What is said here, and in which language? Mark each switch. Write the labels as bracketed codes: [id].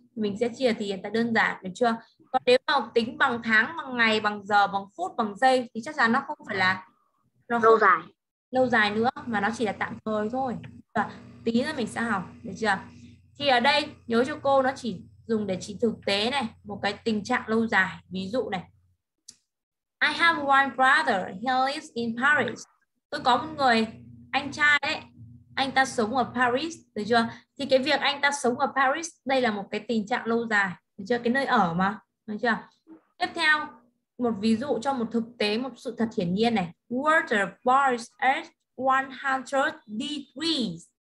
[vi] Mình sẽ chia thì hiện tại đơn giản, được chưa? Còn nếu mà tính bằng tháng, bằng ngày, bằng giờ, bằng phút, bằng giây thì chắc chắn nó không phải là lâu dài nữa, mà nó chỉ là tạm thời thôi. Và tí nữa mình sẽ học, được chưa? Thì ở đây nhớ cho cô, nó chỉ dùng để chỉ thực tế này, một cái tình trạng lâu dài. Ví dụ này, [en] I have one brother, he lives in Paris. [vi] Tôi có một người anh trai ấy, anh ta sống ở Paris, được chưa? Thì cái việc anh ta sống ở Paris, đây là một cái tình trạng lâu dài, được chưa? Cái nơi ở mà, được chưa? Tiếp theo, một ví dụ cho một thực tế, một sự thật hiển nhiên này. [en] Water boils at 100 degrees.